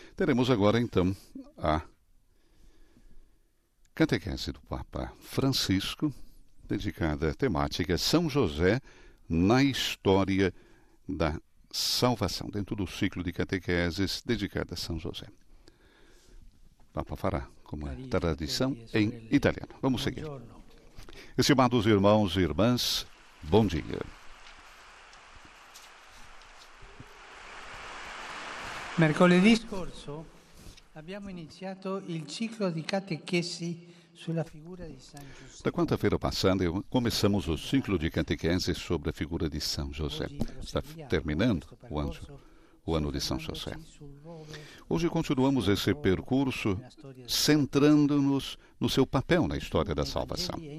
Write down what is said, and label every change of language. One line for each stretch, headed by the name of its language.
Portuguese: Teremos agora, então, a catequese do Papa Francisco, dedicada à temática São José na história da salvação, dentro do ciclo de catequeses dedicada a São José. O Papa fará, como é tradição, em italiano. Vamos seguir. Estimados irmãos e irmãs, bom dia.
Italian: Mercoledì scorso abbiamo iniziato il ciclo di catechesi sulla figura di San José.
Portuguese: Da quarta-feira passada começamos o ciclo de catequese sobre a figura de São José. Está terminando o ano de São José. Hoje continuamos esse percurso centrando-nos no seu papel na história da salvação.